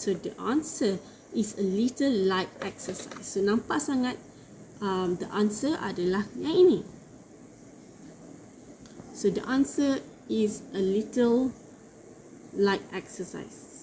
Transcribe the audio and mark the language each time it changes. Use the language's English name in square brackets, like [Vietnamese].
[English] So, the answer is a little light exercise. [Malay] So nampak sangat, [English] the answer [Malay] adalah yang ini. [English] So the answer is a little light exercise.